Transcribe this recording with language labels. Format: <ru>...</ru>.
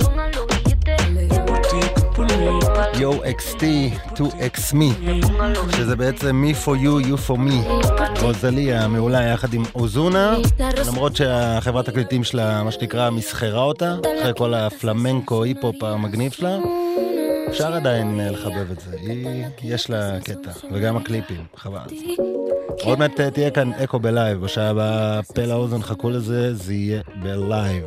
<es>Yo por ti, tú por mí, yo por ti, tú por mí, yo por ti, tú por mí. Yo XT, 2XME,</es> <he>שזה בעצם</he> <en>me for you, you for me.</en> <he>רוזליה מעולה יחד עם אוזונה, למרות שהחברת הקליטים שלה, מה שנקרא, מסחרה אותה, אחרי כל הפלמנקו, היפופ המגניב שלה. אפשר עדיין לחבב את זה, יש לה קטע, וגם הקליפים, חבל. עוד מעט תהיה כאן אקו בלייב, בשעה הבאה פלא אוזן, חכו לזה, זה יהיה בלייב.</he>